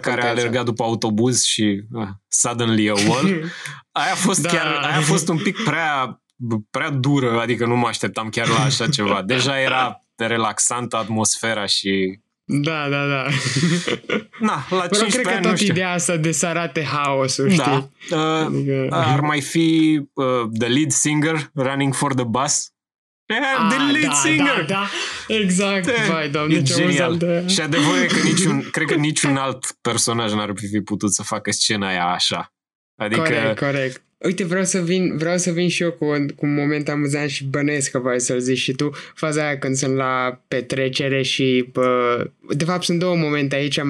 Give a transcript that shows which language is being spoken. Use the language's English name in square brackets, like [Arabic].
[Romanian] care a alergat după autobuz și [English] suddenly a wall. [Romanian] Aia a fost da. Chiar, aia a fost un pic prea dură, adică nu mă așteptam chiar la așa ceva. Deja era relaxantă atmosfera și da, da, da. Na, la 15 ani, cred că tot ideea asta de să arate haosul, știi? Da. Adică ar mai fi [English] the lead singer running for the bus. The lead singer. [Romanian] Da, da. Exact, vai, doamne, ce genial. Și adevărul e că cred că niciun alt personaj n-ar fi putut să facă scena aia așa. Adică Corect. Uite, vreau să vin și eu cu un moment amuzant și bănesc că voi să-l zici și tu, faza aia când sunt la petrecere și de fapt sunt două momente aici.